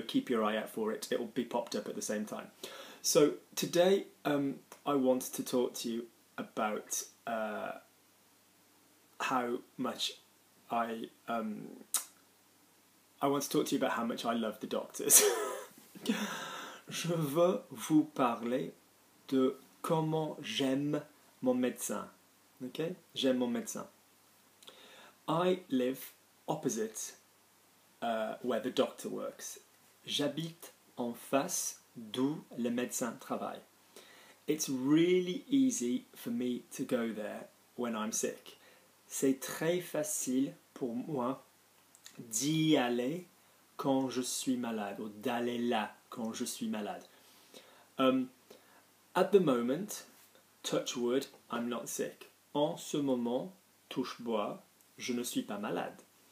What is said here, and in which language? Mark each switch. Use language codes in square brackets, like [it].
[en] Keep your eye out for it. It will be popped up at the same time. So today I want to talk to you about how much I love the doctors. [fr] Je veux vous parler de comment j'aime mon médecin. [en] Okay, [fr] j'aime mon médecin. [en] I live opposite where the doctor works. [fr] J'habite en face d'où le médecin travaille. [en] It's really easy for me to go there when I'm sick. [fr] C'est très facile pour moi d'y aller quand je suis malade, ou d'aller là quand je suis malade. [en] At the moment, touch wood, I'm not sick. [fr] En ce moment, touche bois, je ne suis pas malade.